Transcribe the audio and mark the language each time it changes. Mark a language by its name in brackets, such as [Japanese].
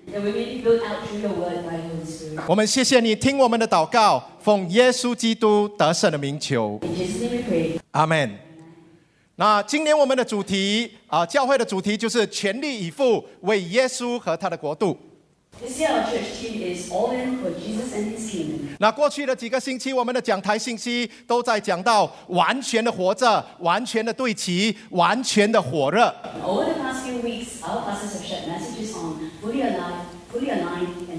[English] That we may be built out through your word by your Spirit [Chinese] 我们谢谢你听我们的祷告 奉耶稣基督得胜的名求 [English] Amen [Chinese] 那今年我们的主题 教会的主题就是全力以赴 为耶稣和他的国度 [English] This year our church team is all in for Jesus and his kingdom [Chinese] 那过去的几个星期 我们的讲台信息都在讲到完全的活着 完全的对齐 完全的火热 [English] Over the past few weeks our pastors have shared messages on fully alive fully aligned